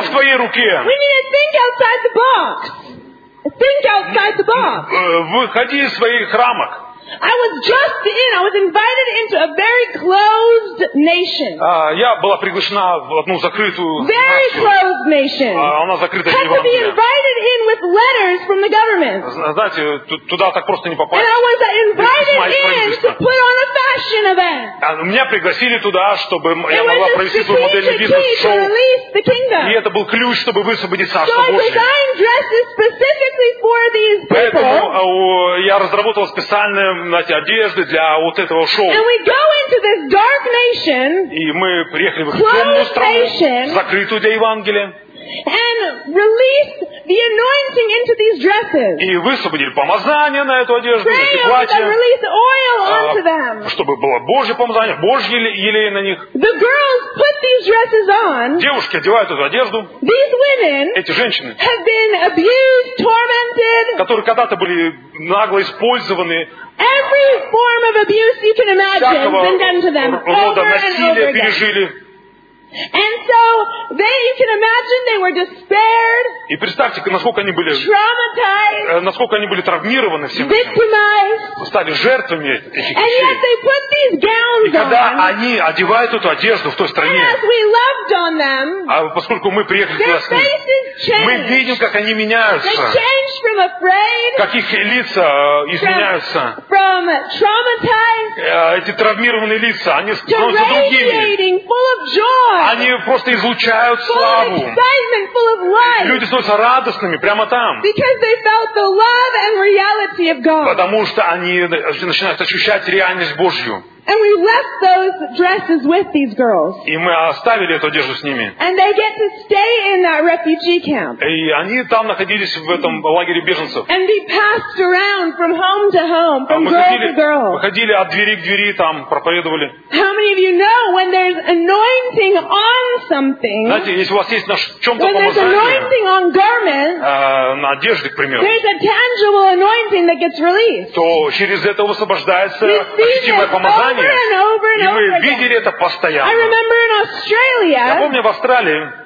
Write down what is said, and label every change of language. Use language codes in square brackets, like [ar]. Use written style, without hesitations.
[ru] Что в твоей руке? [en] We need to think outside the box. Think outside the box. [ru] Выходи из своих рамок. [en] I was just in. I was invited into a very closed nation. [ru] Я была приглашена в одну закрытую. [en] Very closed nation. [ru] Она закрытая. [en] Had to be invited in with letters from the government. [ru] Знаете, туда так просто не попасть. [en] And I was invited in to put on a fashion event. [ru] Меня пригласили туда, чтобы я могла провести свой модельный бизнес-шоу. И это был ключ, чтобы высвободиться. [en] So I designed dresses specifically for these people. [ru] Поэтому я разработала специально. Знаете, одежды для вот этого шоу. [en] And we go into this dark nation, [ru] и мы приехали в темную страну, закрытую для Евангелия, [en] and release the anointing into these dresses. [ru] И высвободили помазание на эту одежду, на эти платья, [en] release oil onto them. [ru] Чтобы было Божье помазание, Божье елей на них. [en] The girls put these dresses on. [ru] Девушки одевают эту одежду. [en] These women, [ru] эти женщины, [en] have been abused, tormented, [ru] которые когда-то были нагло использованы. [en] Every form of abuse you can imagine has been done to them over and over again. [ru] Пережили. [en] And so they, you can imagine, they were despaired. [ru] И представьте, насколько они были [en] traumatized, [ru] насколько они были травмированы всем. [en] Victimized. [ru] Стали жертвами этих вещей. [en] And yet they put these gowns on. [ru] И когда они одевают эту одежду в той стране, [en] and as we loved on them, [ru] а поскольку мы приехали [en] their [ru] туда с ним, мы видим, как они меняются. [en] They change from afraid, [ru] как их лица изменяются. [en] From traumatized, [ru] эти травмированные лица, они становятся другими. [en] Full of joy. [ru] Они просто излучают славу. Люди становятся радостными прямо там. Потому что они начинают ощущать реальность Божью. [en] And we left those dresses with these girls. [ru] И мы оставили эту одежду с ними. [en] And they get to stay in that refugee camp. [ru] И они там находились в этом лагере беженцев. [en] And be passed around from home to home, from girl to girl. [ru] Выходили от двери к двери, там проповедовали. [en] How many of you know when there's anointing on something? [ru] Знаете, если у вас есть на чем-то помазание. [en] When there's anointing on garment. [ru] На одежде, к примеру. [en] There's a tangible anointing that gets released. [ru] То через это высвобождается ощутимое помазание. [en] Over and over and [ru] и мы видели это постоянно. [en] I remember in Australia, [ru] я помню в Австралии,